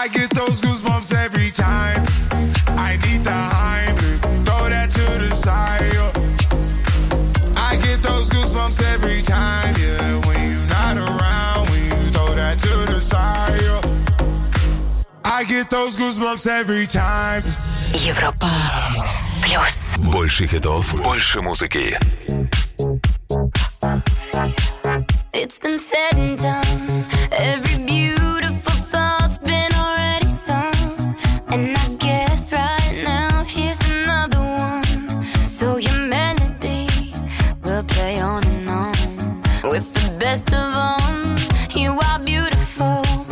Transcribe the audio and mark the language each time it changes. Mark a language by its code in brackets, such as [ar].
[en] I get those goosebumps every time. I need the Heimlich, throw that to the side, yo. I get those goosebumps every time, yeah. When you're not around, when you throw that to the side, yo. I get those goosebumps every time. [ru] Европа плюс. Больше хитов, больше музыки. [en] It's been said and done. Every beautiful thought's been already sung. And I guess right now here's another one. So your melody will play on and on. With the best of on, you are beautiful.